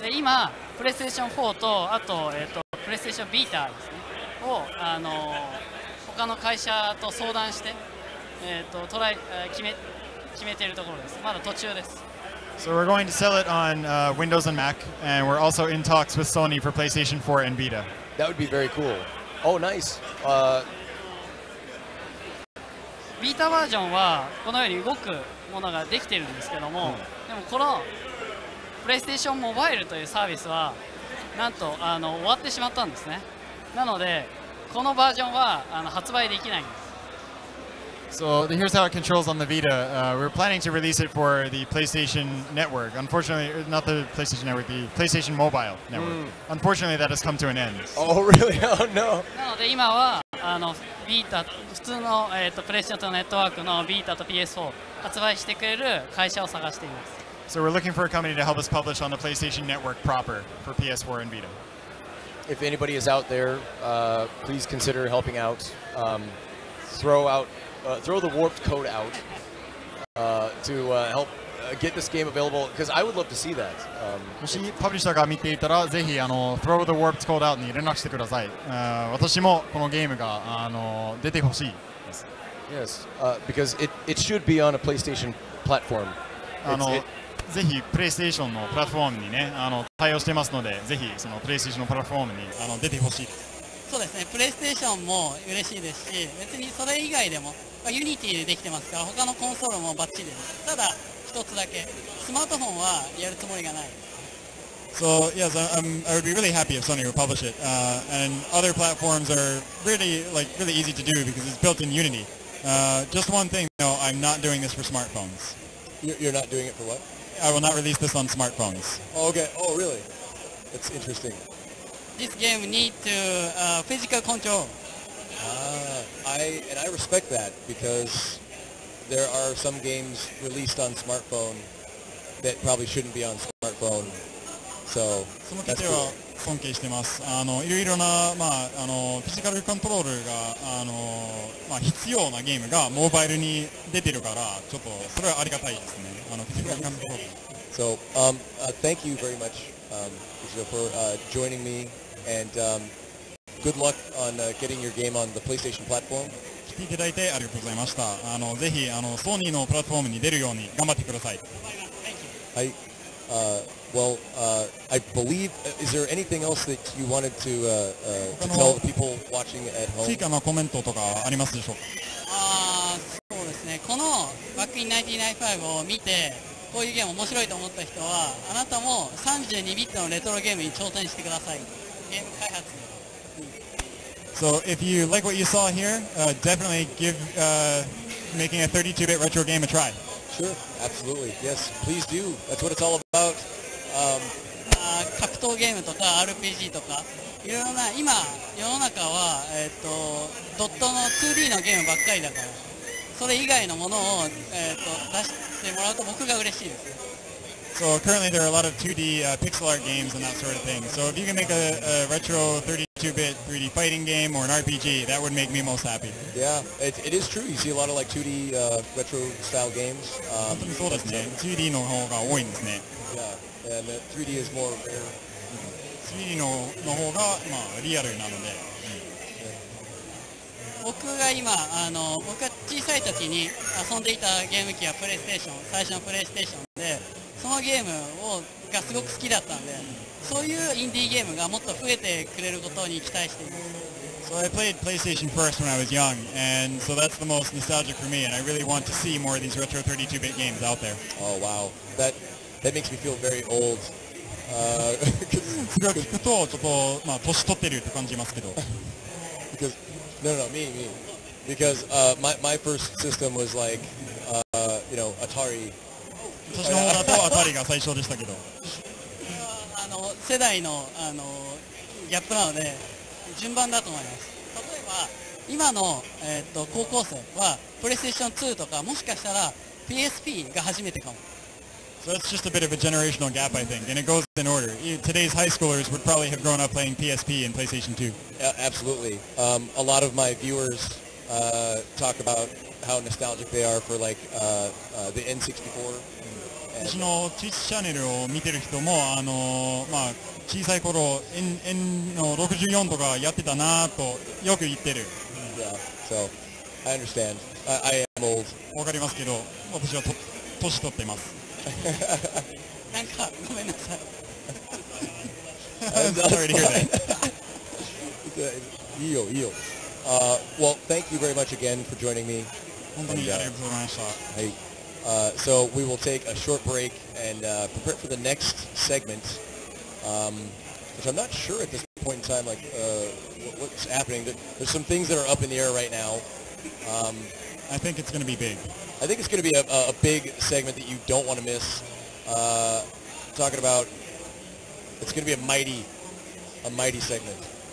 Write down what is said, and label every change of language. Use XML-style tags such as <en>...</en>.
<ja>で今、プレイステーション4と、あと、プレイステーションビーターですね、を他の会社と相談して、トライ、決めているところです。まだ途中です。</ja> <en>So we're going to sell it on Windows and Mac, and we're also in talks with Sony for PlayStation 4 and Vita. That would be very cool. Oh, nice.</en> <ja>Vita version はこのように動くものができているんですけども、でもこの PlayStation Mobile というサービスはなんと終わってしまったんですね。なのでこのバージョンは発売できないんです。</ja> <en>So here's how it controls on the Vita. We're planning to release it for the PlayStation Network. Unfortunately, not the PlayStation Network, the PlayStation Mobile Network. Unfortunately, that has come to an end. Oh, really? Oh, no.</en> <ja>なので今は、Vita、普通の、PlayStation Network の Vita と PS4 発売してくれる会社を探しています。</ja> <en>So we're looking for a company to help us publish on the PlayStation Network proper for PS4 and Vita. If anybody is out there, please consider helping out. Throw the warped code out to help get this game available, because I would love to see that.</en> <ja>もしパブリッシャーが見ていたら、ぜひthrow the warped code out に連絡してください。私もこのゲームが出てほしいです。</ja> <en>Yes, because it should be on a PlayStation platform.</en> <ja>ぜひ PlayStation のプラットフォームにね、対応してますので、ぜひその PlayStation のプラットフォームに出てほしいです。そうですね、プレイステーションも嬉しいですし、別にそれ以外でも、まあ、Unity でできてますから、他のコンソールもバッチリです。ただ、一つだけ、スマートフォンはやるつもりがない。</ja> <en>So yes, I would be really happy if Sony would publish it. And other platforms are really like really easy to do because it's built in Unity. Just one thing, no, I'm not doing this for smartphones. You're not doing it for what? I will not release this on smartphones. Oh, okay. Oh, really? That's interesting. This game needs to physical control. I respect that because there are some games released on smartphone that probably shouldn't be on smartphone. So,</en> <ja>その点では尊敬してます。あのいろいろな、まあ、あのフィジカルコントロールがあの、まあ、必要なゲームがモバイルに出てるから、ちょっとそれはありがたいですね。あのフィジカルコントロール。</ja> <en>So, thank you very much, for joining me, and good luck on getting your game on the PlayStation platform.</en> <ja>来ていただいてありがとうございました。あのぜひあのソニーのプラットフォームに出るように頑張ってください。はい。</ja> <en>Well, I believe, is there anything else that you wanted to tell the people watching at home?</en> <ja>追加のコメントとかありますでしょうか？そうですね。このバックイン1995を見て、こういうゲーム面白いと思った人は、あなたも32ビットのレトロゲームに挑戦してください。ゲーム開発に。</ja> <en>So, if you like what you saw here, definitely give making a 32-bit retro game a try. Sure, absolutely. Yes, please do. That's what it's all about.</en> <ja>格闘ゲームとか RPG とかいろいろな今世の中は、ドットの 2D のゲームばっかりだからそれ以外のものを、出してもらうと僕が嬉しいです。</ja> <en>So currently there are a lot of 2D pixel art games and that sort of thing. So if you can make a retro 32-bit 3D fighting game or an RPG, that would make me most happy. Yeah, it is true. You see a lot of like 2D retro style games.</en> <ja>本当にそうですね。 2D の方が多いんですね。</ja> <en>And 3D is more rare.</en> <ja>3D の方が、まあ、リアルなので。僕が今あの、僕が小さい時に遊んでいたゲーム機はプレイステーション、最初のプレイステーションで、そのゲームがすごく好きだったんで、そういうインディーゲームがもっと増えてくれることに期待しています。</ja> <en>So I played PlayStation first when I was young, and so that's the most nostalgic for me, and I really want to see more of these retro 32-bit games out there. Oh, wow. That makes me feel very old.</en> <ja>それを聞くとちょっとまあ年取ってるって感じますけど。</ja> <en>Because no me. Because my first system was like you know Atari.</en> <ja>私の方だと Atari が最初でしたけど。あの世代のあのギャップなので順番だと思います。例えば今の高校生は PlayStation 2とかもしかしたら PSP が初めてかも。</ja> <en>So that's just a bit of a generational gap, I think, and it goes in order. Today's high schoolers would probably have grown up playing PSP and PlayStation 2. Yeah, absolutely. A lot of my viewers talk about how nostalgic they are for like the N64.</en> <ja>私のチーズチャンネルを見てる人も、あのまあ小さい頃 N の64とかやってたなとよく言ってる。</ja> <en>Yeah, so I understand. I am old.</en> <ja>わかりますけど、私は年取ってます。なんかごめんなさい。</ja> <en>I'm sorry to hear that.</en> <ja>いいよ。</ja> <en>Well, thank you very much again for joining me.</en> <ja>本当にありがとうございました。はい。</ja> <en>So we will take a short break and prepare for the next segment, which I'm not sure at this point in time like what's happening. There's some things that are up in the air right now. I think it's going to be big. I think it's going to be a big segment that you don't want to miss. Talking about, it's going to be a mighty segment.</en>